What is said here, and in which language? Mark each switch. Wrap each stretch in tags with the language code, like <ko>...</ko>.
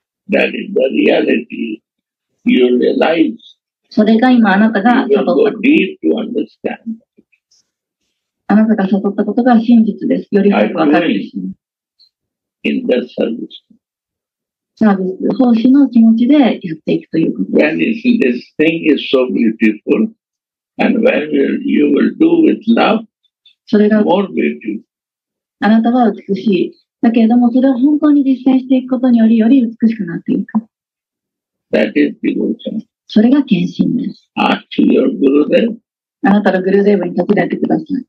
<en>That is the reality you realize.</en> <ja>それが今あなたが悟ったこと。</ja> <en>You will go deep to understand.</en> <ja>あなたが悟ったことが真実です。より深くわかるんです。</ja> <en>In the service.</en> <ja>サービス、奉仕の気持ちでやっていくということです。</ja> <en>When you see this thing is so beautiful, and when you will do with love,</en> <ja>それがあなたは美しい。だけれども、それを本当に実践していくことにより、より美しくなっていく。</ja> <en>That is devotion.</en> <ja>それが献身です。</ja> <en>Ask to your guru then.</en> <ja>あなたのグルデーブに尋ねてください。</ja>